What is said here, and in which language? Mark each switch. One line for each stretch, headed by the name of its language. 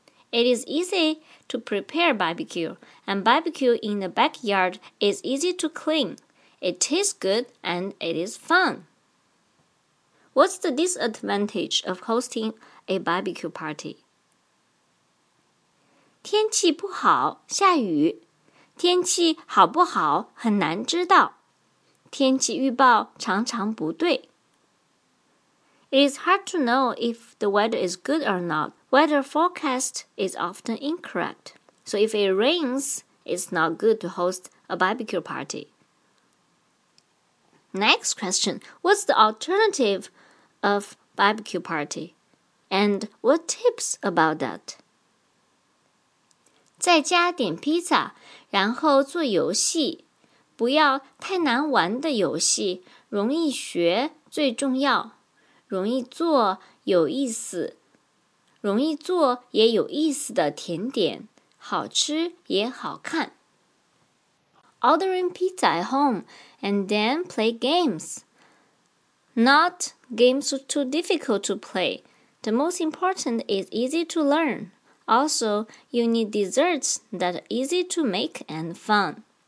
English: It is easy to prepare barbecue, and barbecue in the backyard is easy to clean. It tastes good and it is fun. What's the disadvantage of hosting a barbecue party?
Chinese: 天气不好，下雨。天气好不好很难知道。天气预报常常不对。
English: It is hard to know if the weather is good or not. Weather forecast is often incorrect. So if it rains, it's not good to host a barbecue party. Next question. What's the alternative of barbecue party? And what tips about that?
Chinese: 在家点披萨，然后做游戏。不要太难玩的游戏，容易学最重要。容易做有意思，容易做也有意思的甜点，好吃也好看。
English: Ordering pizza at home and then play games. Not games too difficult to play. The most important is easy to learn. Also, you need desserts that are easy to make and fun.